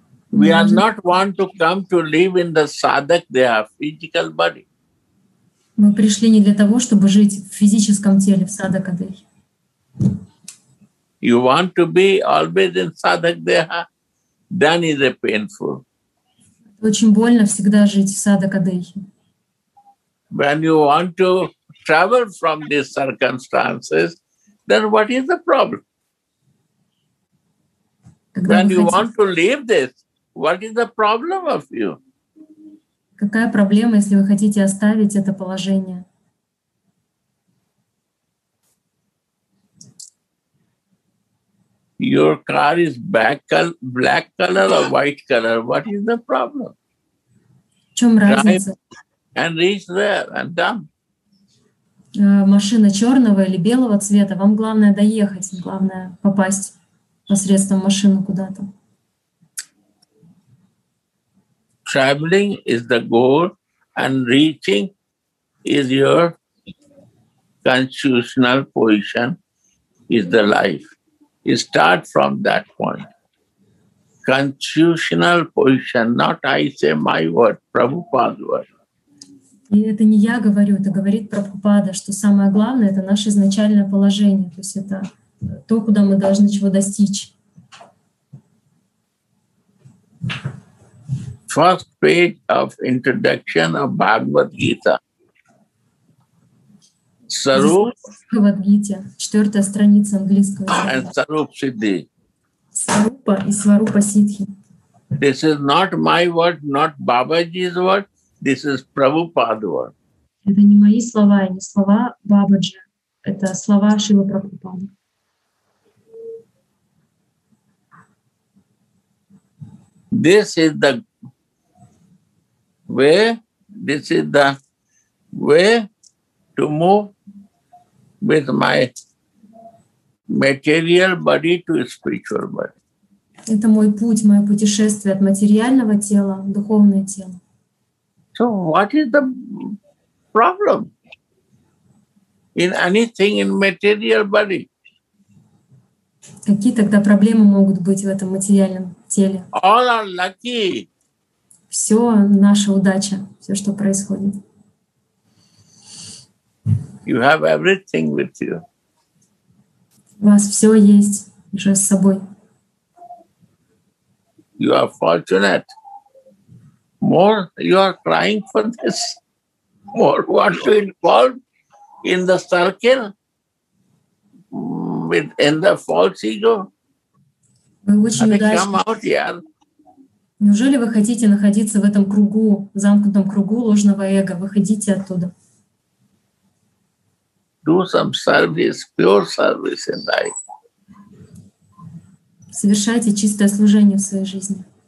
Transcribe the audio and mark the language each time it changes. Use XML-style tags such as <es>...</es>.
<en>We are not want to come to live in the sadhak, they have physical body.</en> <ru>Мы пришли не для того, чтобы жить в физическом теле, в садакадей.</ru> <en>You want to be always in sadhak, they have, then is a painful.</en> <ru>Очень больно всегда жить в садакадей.</ru> <en>When you want to travel from these circumstances, then what is the problem? When you want to leave this, what is the problem of you?</en> <ru>Какая проблема, если вы хотите оставить это положение?</ru> <en>Your car is black color or white color. What is the problem?</en> <ru>В чем разница?</ru> <en>And reach there and done.</en> <ru>Машина черного или белого цвета. Вам главное доехать, главное попасть посредством машины куда-то.</ru> <en>Traveling is the goal, and reaching is your constitutional position, is the life. You start from that point. Constitutional position, not I say my word, Prabhupada's word.</en> <ru>И это не я говорю, это говорит Прабхупада, что самое главное – это наше изначальное положение, то есть это то, куда мы должны чего достичь.</ru> <en>First page of introduction of Bhagavad Gita. Sarup. Bhagavad Gita, 4th chapter, English. And Sarup Siddhi.</en> <ru>Sarup Рупа и Сварупа Сиддхи.</ru> <en>This is not my word, not Бабаджи's word. This is Prabhupada's word.</en> <ru>Это не мои слова и не слова Бабаджи. Это слова Шрилы Прабхупады.</ru> <en>This is the way to move with my material body to spiritual body.</en> <ru>Это мой путь, мое путешествие от материального тела в духовное тело.</ru> <en>So what is the problem in anything in material body?</en> <ru>Какие тогда проблемы могут быть в этом материальном теле?</ru> <en>All are lucky.</en> <ru>Все наша удача, все, что происходит.</ru> <en>You have everything with you.</en> <ru>У вас все есть уже с собой.</ru> <en>You are fortunate. More you are crying for this. More want to involve in the circle with in the false ego.</en> <ru>Неужели вы хотите находиться в этом кругу, замкнутом кругу ложного эго? Выходите оттуда.</ru> <en>Do some service, pure service in life.</en> <ru>Совершайте чистое служение в своей жизни.</ru>